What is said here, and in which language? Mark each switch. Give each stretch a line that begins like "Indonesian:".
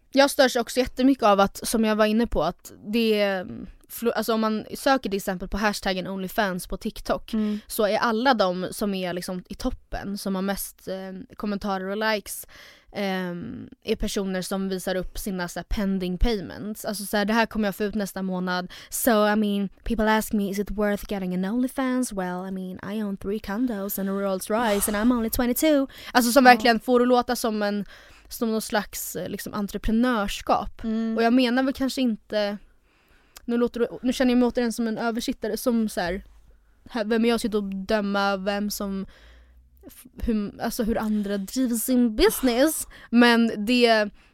Swedish: Jag störs också jättemycket av att, som jag var inne på, att det, alltså om man söker till exempel på hashtaggen OnlyFans på TikTok, så är alla de som är liksom i toppen, som har mest kommentarer och likes, är personer som visar upp sina så här, pending payments. Alltså så här, det här kommer jag få ut nästa månad.
English: So I mean, people ask me, is it worth getting an OnlyFans? Well, I mean, I own 3 condos and a Rolls Royce and I'm only 22.
Swedish: Alltså som verkligen får att låta som en, som någon slags liksom, entreprenörskap. Mm. Och jag menar väl kanske inte, nu känner jag mig återigen som en översittare som så här, vem är jag sitter och döma vem som hur, alltså hur andra driver sin business, men det